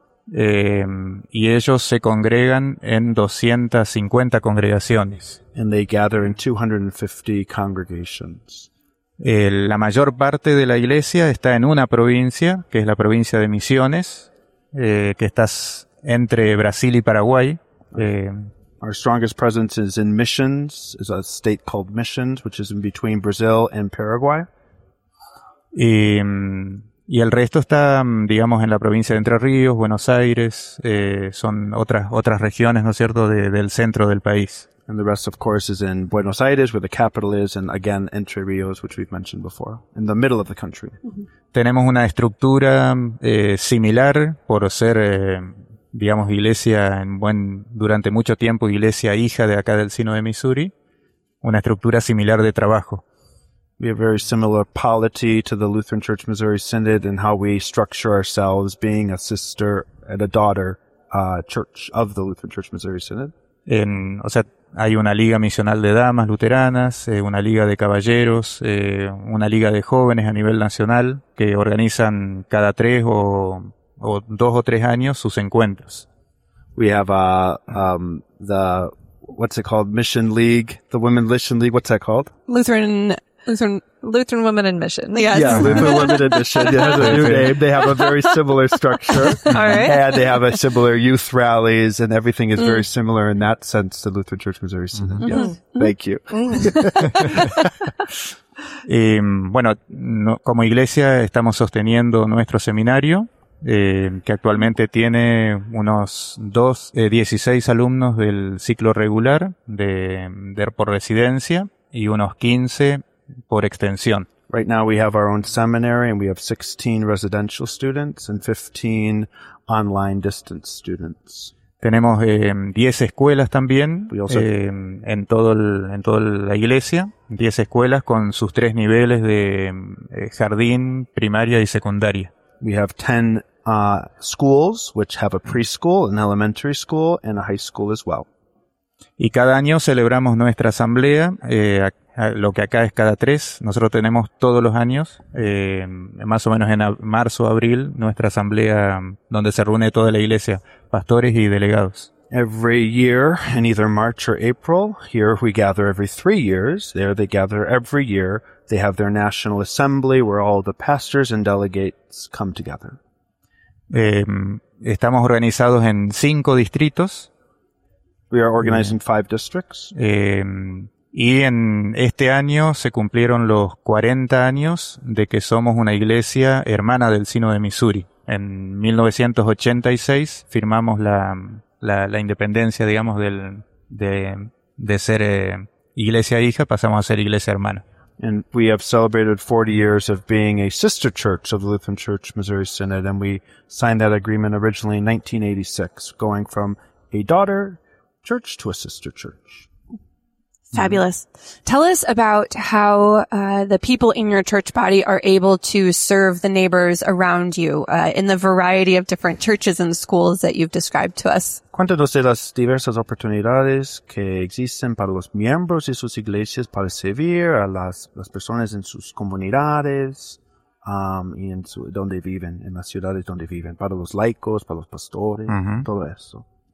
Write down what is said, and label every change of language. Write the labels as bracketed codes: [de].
[es] Y ellos se congregan en 250 congregaciones. [en] And they gather in 250 congregations. [es] La mayor parte de la iglesia está en una provincia, que es la provincia de Misiones, que está entre Brasil y Paraguay. [en] Our strongest presence is in Missions, is a state called Missions, which is in between Brazil and Paraguay. [es] Y el resto está, digamos, en la provincia de Entre Ríos, Buenos Aires, son otras regiones, ¿no es cierto?, del centro del país. [en] And the rest, of course, is in Buenos Aires, where the capital is, and again, Entre Ríos, which we've mentioned before, in the middle of the country. [es] Tenemos una estructura similar, por ser, digamos, iglesia durante mucho tiempo, iglesia hija de acá del Sínodo de Missouri, una estructura similar de trabajo. [en] We have very similar polity to the Lutheran Church Missouri Synod in how we structure ourselves, being a sister and a daughter church of the Lutheran Church Missouri Synod. [es] Hay una liga misional de damas luteranas, una liga de caballeros, una liga de jóvenes a nivel nacional que organizan cada 3 o 2 o 3 años sus encuentros. [en] We have the, what's it called? Mission League, the Women Mission League. What's that called? Lutheran Women in Mission. Yes. Yeah, Lutheran Women in Mission. Yeah, that's a new name. They have a very similar structure. All right. And they have a similar youth rallies, and everything is very similar in that sense to Lutheran Church Missouri Synod. Mm-hmm. Yes. Mm-hmm. Thank you. [es] Y bueno, no, como iglesia estamos sosteniendo nuestro seminario, que actualmente tiene unos 16 alumnos del ciclo regular de por residencia y unos 15 por extensión. [en] Right now we have our own seminary and we have 16 residential students and 15 online distance students. [es] Tenemos 10 escuelas también en toda la iglesia, 10 escuelas con sus tres niveles de jardín, primaria y secundaria. [en] We have 10 schools which have a preschool, an elementary school and a high school as well. [es] Y cada año celebramos nuestra asamblea, lo que acá es cada tres. Nosotros tenemos todos los años, más o menos en marzo, abril, nuestra asamblea donde se reúne toda la iglesia, pastores y delegados. [en] Every year, in either March or April, here we gather every 3 years, there they gather every year, they have their national assembly where all the pastors and delegates come together. [es] Estamos organizados en 5 distritos. [en] We are organized in 5 districts. [es] Y en este año se cumplieron los 40 años de que somos una iglesia hermana del Sínodo de Missouri. En 1986 firmamos la independencia, digamos, de ser iglesia hija, pasamos a ser iglesia hermana. [en] And we have celebrated 40 years of being a sister church of the Lutheran Church Missouri Synod, and we signed that agreement originally in 1986, going from a daughter church to a sister church. Fabulous. Tell us about how the people in your church body are able to serve the neighbors around you in the variety of different churches and schools that you've described to us. [es] Cuéntanos de las diversas oportunidades que existen para los miembros de sus iglesias para servir a las personas en sus comunidades y en donde viven, en las ciudades donde viven, para los laicos, para los pastores, todo eso.